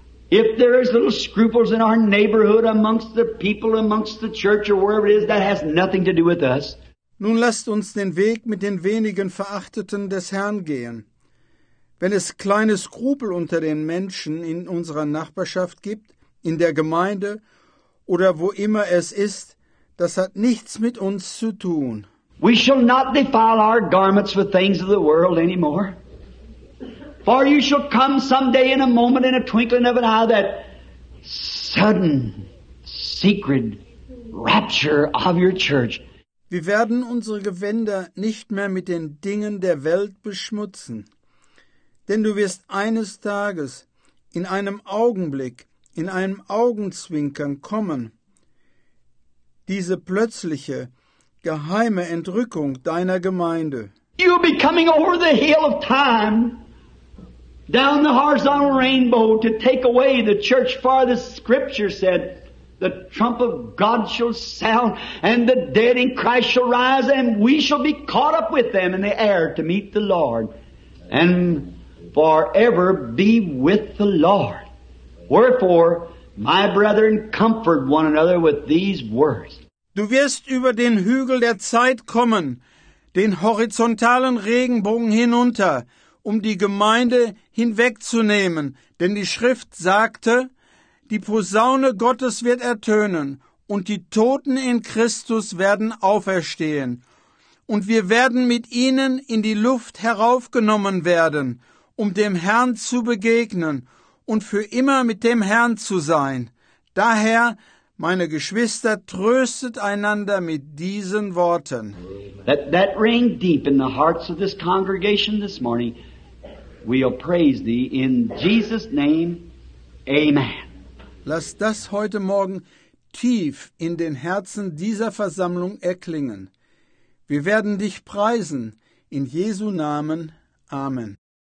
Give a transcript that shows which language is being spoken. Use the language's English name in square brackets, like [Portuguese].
[English] If there is little scruples in our neighborhood amongst the people, amongst the church or wherever it is, that has nothing to do with us. [German] Nun lasst uns den Weg mit den wenigen Verachteten des Herrn gehen. Wenn es kleine Skrupel unter den Menschen in unserer Nachbarschaft gibt, in der Gemeinde, oder wo immer es ist, das hat nichts mit uns zu tun. [English] We shall not defile our garments with things of the world anymore. For you shall come someday in a moment, in a twinkling of an eye, that sudden, secret rapture of your church. [German] Wir werden unsere Gewänder nicht mehr mit den Dingen der Welt beschmutzen. Denn du wirst eines Tages, in einem Augenblick, in einem Augenzwinkern kommen, diese plötzliche, geheime Entrückung deiner Gemeinde. [English] You'll be coming over the hill of time, down the horizontal rainbow, to take away the church, for the scripture said, the trump of God shall sound, and the dead in Christ shall rise, and we shall be caught up with them in the air to meet the Lord, and forever be with the Lord. Wherefore, my brethren, comfort one another with these words. [German] Du wirst über den Hügel der Zeit kommen, den horizontalen Regenbogen hinunter, um die Gemeinde hinwegzunehmen. Denn die Schrift sagte, die Posaune Gottes wird ertönen und die Toten in Christus werden auferstehen. Und wir werden mit ihnen in die Luft heraufgenommen werden, um dem Herrn zu begegnen und für immer mit dem Herrn zu sein. Daher, meine Geschwister, tröstet einander mit diesen Worten. [English] That rang deep in the hearts of this congregation this morning. We'll praise thee in Jesus' name. Amen. [German] Lass das heute Morgen tief in den Herzen dieser Versammlung erklingen. Wir werden dich preisen. In Jesu Namen. Amen.